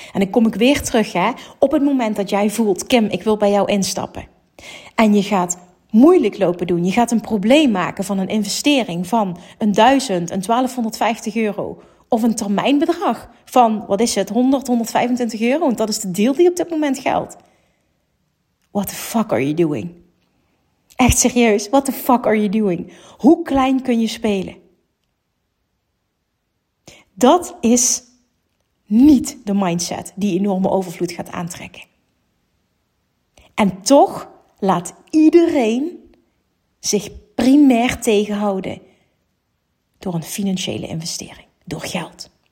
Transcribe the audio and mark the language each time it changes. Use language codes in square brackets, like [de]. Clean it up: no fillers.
[nl] En dan kom ik weer terug, hè, op het moment dat jij voelt, Kim, ik wil bij jou instappen. En je gaat moeilijk lopen doen. Je gaat een probleem maken van een investering van 1000, 1250 euro... of een termijnbedrag van, wat is het, 100, 125 euro. Want dat is de deal die op dit moment geldt. [en] What the fuck are you doing? [nl] Echt serieus, [en] what the fuck are you doing? [nl] Hoe klein kun je spelen? Dat is niet de mindset die enorme overvloed gaat aantrekken. En toch laat iedereen zich primair tegenhouden door een financiële investering. Door geld.